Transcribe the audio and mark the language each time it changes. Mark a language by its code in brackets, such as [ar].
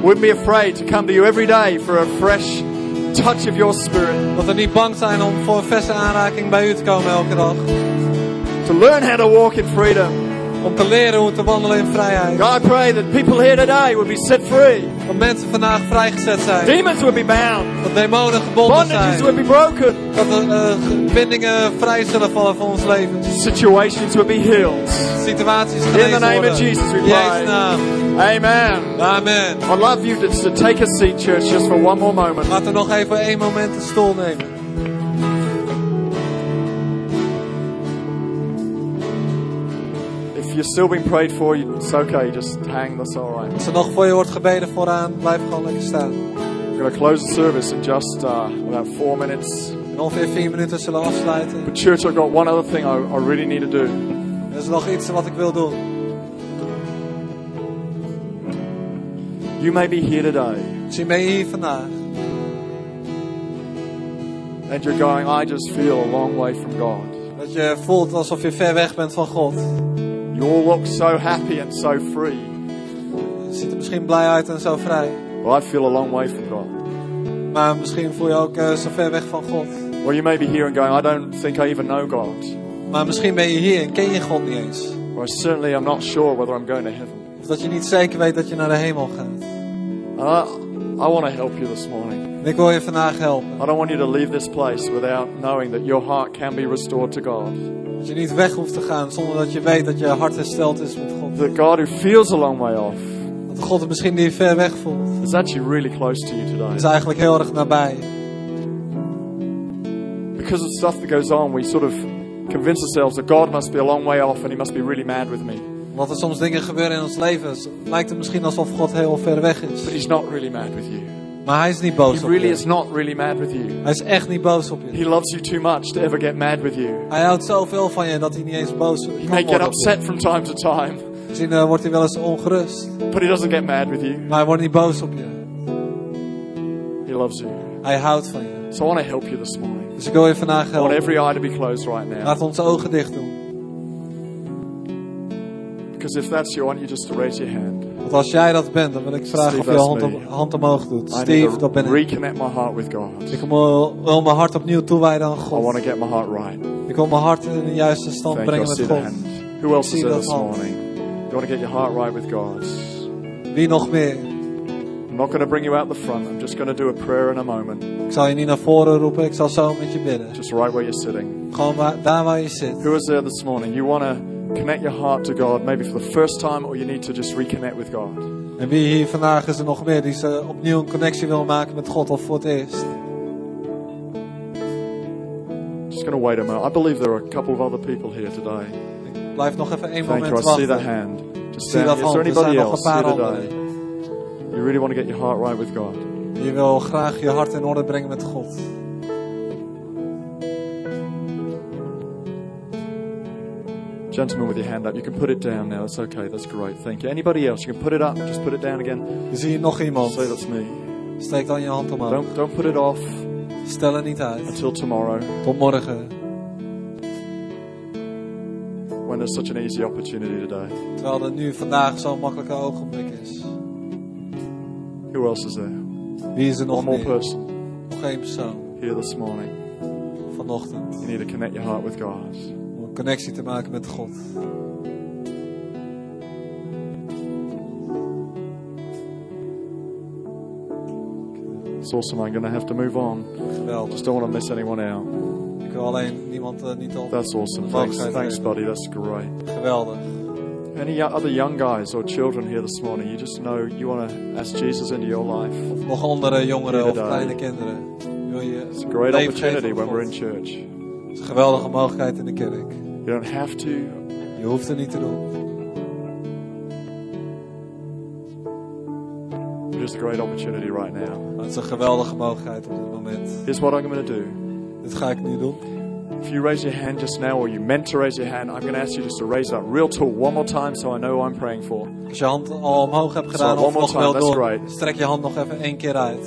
[en] Wouldn't be afraid to come to you every day for a fresh touch of your spirit. [nl] Dat we niet bang zijn om voor een verse aanraking bij u te komen elke dag. [en] To learn how to walk in freedom. [nl] Om te leren hoe te wandelen in vrijheid. [en] God, I pray that people here today would be set free. [nl] Dat mensen vandaag vrijgezet zijn. [en] Demons would be bound. [nl] Dat demonen gebonden [en] Bondages Bondages would be broken. [nl] Dat de bindingen vrij zullen vallen van ons leven. [en] Situations would be healed. [nl] Situaties genezen worden. [en] In the name of Jesus, we pray. [nl] In Jezus' naam. [en] Amen. [nl] Amen. [en] I'd love you to take a seat, church, just for one more moment. [nl] Laten we nog even één moment de stoel nemen. [en] If you're still being prayed for, it's okay. Just hang. That's all right. [nl] Als er nog voor je wordt gebeden vooraan, blijf gewoon lekker staan. [en] We're gonna close the service in just about 4 minutes. [nl] In ongeveer 4 minuten zullen we afsluiten. [en] But church, I've got one other thing I really need to do. [nl] Er is nog iets wat ik wil doen. [en] You may be here today. [nl] Je bent hier vandaag. [en] And you're going. I just feel a long way from God. [nl] Dat je voelt alsof je ver weg bent van God. [en] You all look so happy and so free. [nl] Ziet er misschien blij uit en zo vrij. [en] Well, I feel a long way from God. [nl] Maar misschien voel je ook zo ver weg van God. [en] Well, you may be here and going, I don't think I even know God. [nl] Maar misschien ben je hier en ken je God niet eens. [en] Well, certainly I'm not sure whether I'm going to heaven. [nl] Of dat je niet zeker weet dat je naar de hemel gaat. [en] I want to help you this morning. [nl] Ik wil je vandaag helpen. [en] I don't want you to leave this place without knowing that your heart can be restored to God. [nl] Dat je niet weg hoeft te gaan zonder dat je weet dat je hart hersteld is met God. [en] That God who feels a long way off. [nl] Dat God het misschien niet ver weg voelt. [en] Is actually really close to you today. [nl] Is eigenlijk heel erg nabij. [en] Because of stuff that goes on, we sort of convince ourselves that God must be a long way off and he must be really mad with me. [nl] Wat er soms dingen gebeuren in ons leven, lijkt het misschien alsof God heel ver weg is. [en] But he's not really mad with you. [nl] Maar hij is niet boos [en] he really [nl] op je. [en] Is not really mad with you. [nl] Hij is echt niet boos op je. [en] He loves you too much to ever get mad with you. [nl] Hij houdt zoveel van je dat hij niet eens boos [en] He may get upset from time to time. [nl] Misschien wordt hij wel eens ongerust. [en] But he doesn't get mad with you. [nl] Maar hij wordt niet boos op je. [en] He loves you. [nl] Hij houdt van je. [en] So I want to help you this morning. [nl] Dus ik wil je vandaag helpen. [en] I want every eye to be closed right now. [nl] Laat onze ogen dicht doen. [en] Because if that's you, I want you just to raise your hand. [nl] Want als jij dat bent, dan wil ik vragen Steve, of je hand omhoog doet. Steve, dat ben ik. [en] Reconnect my heart with God. [nl] Ik wil mijn hart opnieuw toewijden aan God. [en] I want to get my heart right. [nl] Ik wil mijn hart in de juiste stand [en] Thank [nl] brengen [en] you. [nl] Met God. [en] Who else is here this morning? You want to get your heart right with God? [nl] Wie nog meer? [en] I'm not going to bring you out the front. I'm just going to do a prayer in a moment. [nl] Ik zal je niet naar voren roepen. Ik zal zo met je bidden. [en] Just right where you're sitting. [nl] Gewoon daar waar je zit. [en] Who is there this morning? You want to connect your heart to God, maybe for the first time, or you need to just reconnect with God. [nl] En wie hier vandaag is er nog meer die ze opnieuw een connectie wil maken met God of voor het eerst? [en] Just going to wait a moment. I believe there are a couple of other people here today. [nl] Ik blijf nog even één moment wachten. [en] Thank you. I see the hand. Just see that hand. Is there anybody else here today? You really want to get your heart right with God. [nl] Je wil graag je hart in orde brengen met God. [en] Gentleman with your hand up, you can put it down now. It's okay. That's great. Thank you. Anybody else? You can put it up. Just put it down again. [nl] Zie je nog iemand? [en] Say that's me. [nl] Steek dan je hand omhoog. [en] Don't put it off. [nl] Stel het niet uit. [en] Until tomorrow. [nl] Tot morgen. [en] When there's such an easy opportunity today. [nl] Terwijl er nu vandaag zo'n makkelijke ogenblik is. [en] Who else is there? [nl] Wie is er nog [en] One more [nl] meer? [en] Person. [nl] Nog één persoon. [en] Here this morning. [nl] Vanochtend. [en] You need to connect your heart with God. [nl] Connectie te maken met God. [en] It's awesome. I'm going to have to move on. [nl] Geweldig. [en] Just don't want to miss anyone out. [nl] Ik wil alleen niemand niet op. [en] That's awesome. Thanks, buddy. That's great. [nl] Geweldig. [en] Any other young guys or children here this morning? You just know you want to ask Jesus into your life. [nl] Of nog andere jongeren of kleine kinderen. [en] It's a great opportunity when we're in church. [nl] Het is een geweldige mogelijkheid in de kerk. [en] You don't have to. [nl] Je hoeft het niet te doen. [en] It is a great opportunity right now. [nl] Het is een geweldige mogelijkheid op dit moment. [en] Here's what I'm going to do. [nl] Dit ga ik nu doen. [en] If you raise your hand just now, or you meant to raise your hand, I'm going to ask you just to raise that real tall one more time, so I know who I'm praying for. [nl] Als je hand al omhoog hebt gedaan, [en] so, [nl] of nog wel door, [en] great. [nl] Strek je hand nog even één keer uit.